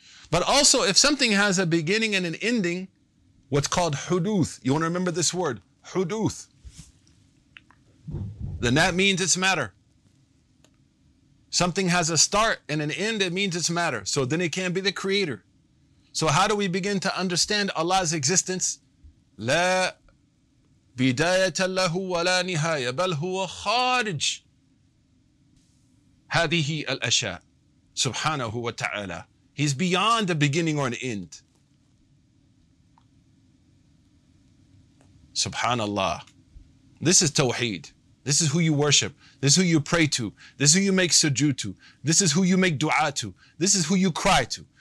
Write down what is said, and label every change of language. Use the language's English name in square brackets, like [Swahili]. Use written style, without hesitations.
[English] But also, if something has a beginning and an ending, what's called huduth, you want to remember this word, huduth, then that means it's matter. Something has a start and an end, it means it's matter. So then it can't be the creator. So how do we begin to understand Allah's existence? [Arabic] لا بداية له ولا نهاية بل هو خارج هذه الأشياء سبحانه وتعالى. [English] He's beyond a beginning or an end. Subhanallah. This is tawheed. This is who you worship. This is who you pray to. This is who you make sujood to. This is who you make dua to. This is who you cry to.